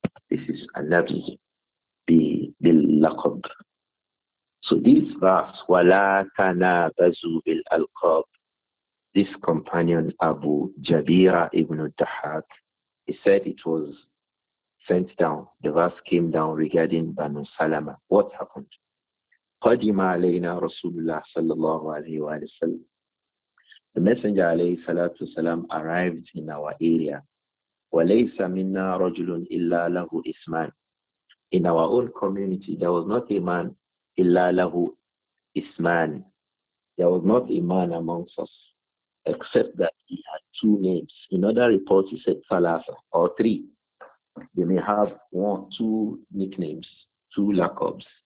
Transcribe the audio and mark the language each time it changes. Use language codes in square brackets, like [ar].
[en] This is [ar] النَّبْزُ بِالْلَقَبِ. [en] So this verse, [ar] وَلَا تَنَابَزُوا بِالْأَلْقَابِ, [en] this companion Abu Jabira ibn al-Dahaq, he said it was sent down, the verse came down regarding Banu Salama. What happened? [ar] قدم علينا رسول الله صلى الله عليه وسلم. [en] The messenger عليه الصلاة والسلام arrived in our area. [ar] وليس منا رجل إلا له إسمان. [en] In our own community, there was not a man [ar] إلا له إسمان. [en] There was not a man amongst us except that he had two names. In other reports, he said ثلاثة or three. They may have two nicknames, two laqabs.